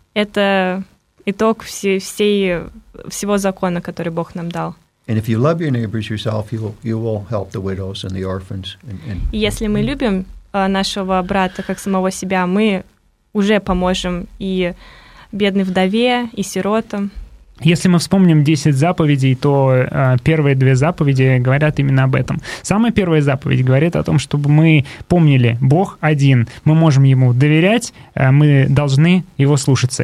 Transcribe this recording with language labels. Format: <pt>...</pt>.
<ru>Это итог всего закона, который Бог нам дал.</ru> <en>And if you love your neighbor as yourself, you will help the widows and the orphans.</en> <ru>И если мы любим нашего брата как самого себя, мы уже поможем и бедной вдове, и сиротам. Если мы вспомним 10 заповедей, то первые две заповеди говорят именно об этом. Самая первая заповедь говорит о том, чтобы мы помнили, Бог один, мы можем Ему доверять, мы должны Его слушаться.</ru>